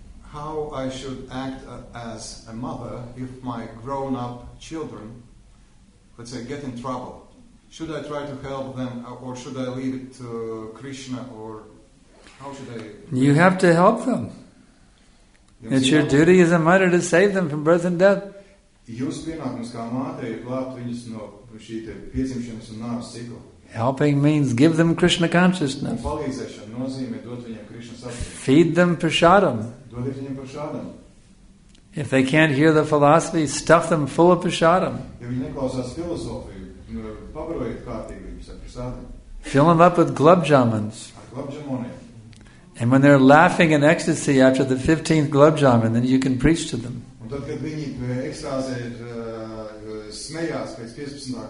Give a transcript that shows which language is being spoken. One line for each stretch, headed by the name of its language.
English: How I should act as a mother if my grown-up children, let's say, get in trouble? Should I try to help them, or should I leave it to Krishna, or how should I? You have to help them. It's your duty as a mother to save them from birth and death.
Latvian: Jūs pienākums kā mātei ir glābt viņus no šī te piedzimšanas un nāves cikla.
English: Helping means give them Krishna consciousness.
Latvian: Palīdzēšana nozīmē dot viņiem Krishna sapratni.
English: Feed them prasadam.
Latvian: Dodiet viņiem prasadam.
English: If they can't hear the philosophy, stuff them full of prasadam.
Latvian: Ja viņi neklausās filozofiju, pabarojiet kārtīgi viņus ar prasadam.
English: Fill them up with glob jamans.
Latvian: Ar glob jamoniem.
English: And when they're laughing in ecstasy after the 15th glob jaman, then you can preach to them.
Latvian: Un tad, kad viņi ekstāzē ir smējās pēc 15.